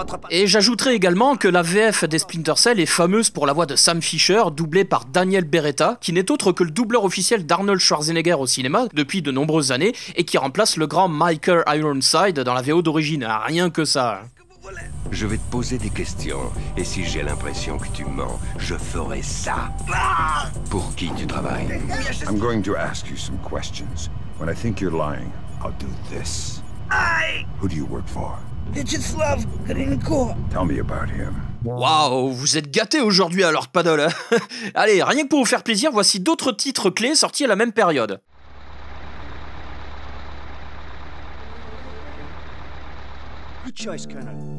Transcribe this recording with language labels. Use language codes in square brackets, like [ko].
[fr] Et j'ajouterai également que la VF des Splinter Cell est fameuse pour la voix de Sam Fisher, doublée par Daniel Beretta, qui n'est autre que le doubleur officiel d'Arnold Schwarzenegger au cinéma depuis de nombreuses années, et qui remplace le grand Michael Ironside dans la VO d'origine. Rien que ça. Je vais te poser des questions, et si j'ai l'impression que tu mens, je ferai ça. Pour qui tu travailles ? [en] I'm going to ask you some questions. When I think you're lying, I'll do this. Who do you work for? Tell me about him. [fr] Waouh, vous êtes gâtés aujourd'hui à Lord Paddle. Allez, rien que pour vous faire plaisir, voici d'autres titres clés sortis à la même période. [en] Good choice, Colonel.